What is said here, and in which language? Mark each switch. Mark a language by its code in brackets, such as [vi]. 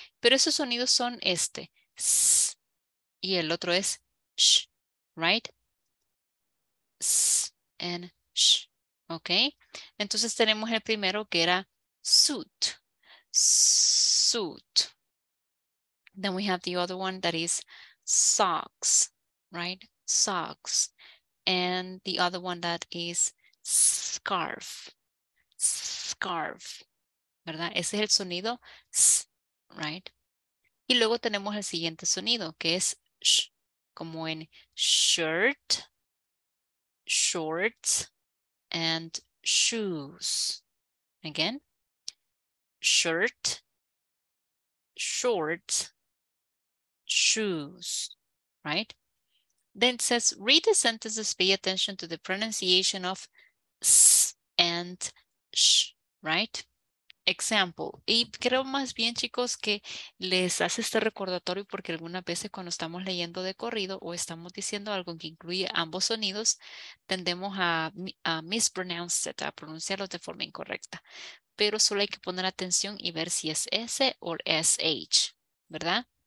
[es] Pero esos sonidos son este, S, y el otro es SH, [en] right? S and SH. [es] Ok, entonces tenemos el primero que era suit, suit. [en] Then we have the other one that is socks, right? Socks. And the other one that is scarf, scarf, [es] ¿verdad? Ese es el sonido s, [en] right? [es] Y luego tenemos el siguiente sonido que es sh, como en shirt, shorts. [en] And shoes. Again, shirt, shorts, shoes, right? Then it says, read the sentences, pay attention to the pronunciation of s and sh, right? Example. [es] Y creo más bien, chicos, que les hace este recordatorio porque algunas veces cuando estamos leyendo de corrido o estamos diciendo algo que incluye ambos sonidos, tendemos a [en] mispronounce it, [es] a pronunciarlos de forma incorrecta. Pero solo hay que poner atención y ver si es S o SH, ¿verdad?